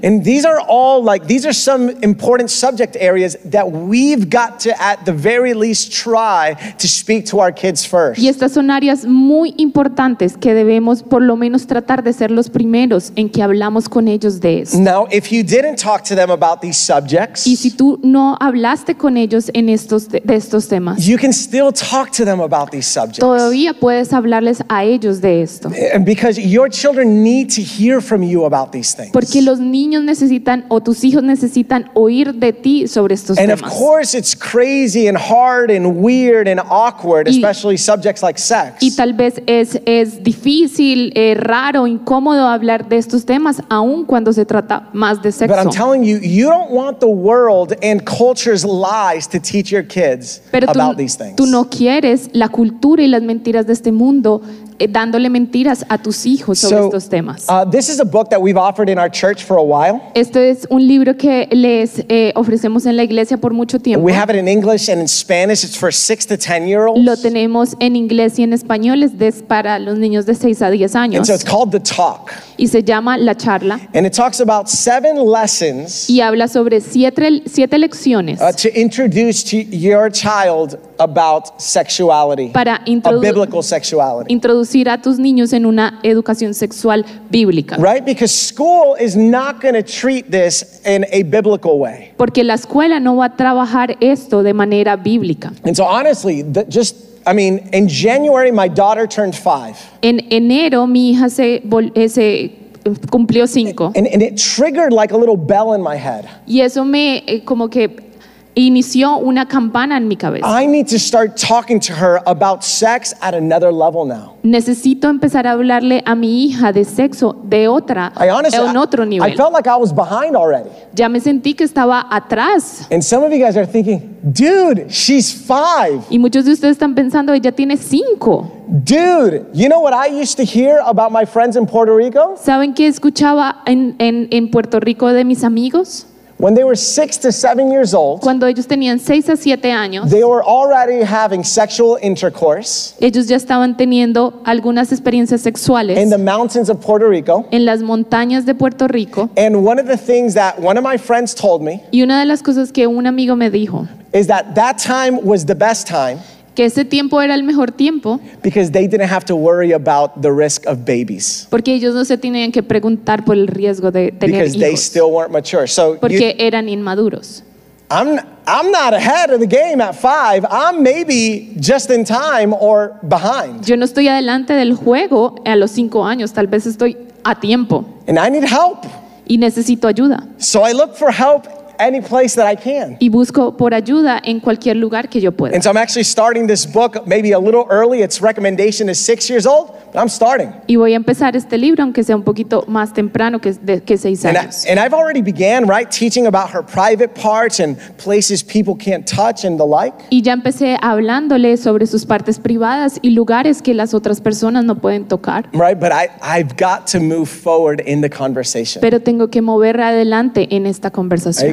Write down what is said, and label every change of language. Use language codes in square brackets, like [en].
[en] And these are all like, these are some important subject areas that we've got to at the very least try to speak to our kids first. [es] Y estas son áreas muy importantes que debemos por lo menos tratar de ser los primeros en que hablamos con ellos de eso. [en] Now, if you didn't talk to them about these subjects, [es] y si tú no hablaste con ellos en estos temas, [en] you can still talk to them about these subjects. [es] Todavía puedes hablarles a ellos de esto. [en] And because your children need to hear from you about these. [es] Porque los niños necesitan o tus hijos necesitan oír de ti sobre estos temas. [en] And of course it's crazy and hard and weird and awkward, especially subjects like sex. [es] Y tal vez es difícil, raro, incómodo hablar de estos temas, aun cuando se trata más de sexo. [en] But I'm telling you, you don't want the world and culture's lies to teach your kids about these things. [es] Tú no quieres la cultura y las mentiras de este mundo dándole mentiras a tus hijos sobre estos temas. [en] This is a book that we've offered in our church for a while. [es] Esto es un libro que les ofrecemos en la iglesia por mucho tiempo. [en] We have it in English and in Spanish. It's for 6 to 10-year-olds. [es] Lo tenemos en inglés y en español. Es para los niños de 6 a 10 años. [en] And so it's called The Talk. [es] Y se llama La Charla. [en] And it talks about 7 lessons. [es] Y habla sobre 7 lecciones. [en] To introduce to your child about sexuality. [es] Para [en] a biblical sexuality. [es] Introducir a tus niños en una educación sexual bíblica. [en] Right? Because school is not going to treat this in a biblical way. [es] Porque la escuela no va a trabajar esto de manera bíblica. [en] And so honestly, in January my daughter turned 5. [es] En enero mi hija se cumplió 5. [en] And it triggered like a little bell in my head. [es] Y eso me como que inició una campana en mi cabeza. [en] I need to start talking to her about sex at another level now. [es] Necesito empezar a hablarle a mi hija de sexo de otra, en otro nivel. [en] I felt like I was behind already. [es] Ya me sentí que estaba atrás. [en] And some of you guys are thinking, dude, she's 5. [es] Y muchos de ustedes están pensando, ella tiene 5. [en] Dude, you know what I used to hear about my friends in Puerto Rico? [es] ¿Saben qué escuchaba en Puerto Rico de mis amigos? [en] When they were 6 to 7 years old, [es] cuando ellos tenían 6 a 7 años, [en] they were already having sexual intercourse. [es] Ellos ya estaban teniendo algunas experiencias sexuales. [en] In the mountains of Puerto Rico. [es] En las montañas de Puerto Rico. [en] And one of the things that one of my friends told me. [es] Y una de las cosas que un amigo me dijo. [en] Is that that time was the best time. [es] Que ese tiempo era el mejor tiempo. [en] Because they didn't have to worry about the risk of babies. [es] Porque ellos no se tenían que preguntar por el riesgo de tener hijos. [en] Because they still weren't mature. So [es] porque you, eran inmaduros. [en] I'm not ahead of the game at 5. I'm maybe just in time or behind. [es] Yo no estoy adelante del juego a los 5 años. Tal vez estoy a tiempo. [en] And I need help. [es] Y necesito ayuda. [en] So I look for help any place that I can. [es] Y busco por ayuda en cualquier lugar que yo pueda. [en] And so I'm actually starting this book maybe a little early. Its recommendation is 6 years old, but I'm starting. [es] Y voy a empezar este libro aunque sea un poquito más temprano que 6 años. [en] And I've already began, right, teaching about her private parts and places people can't touch and the like. [es] Y ya empecé hablándole sobre sus partes privadas y lugares que las otras personas no pueden tocar. [en] Right, but I've got to move forward in the conversation. [es] Pero tengo que mover adelante en esta conversación.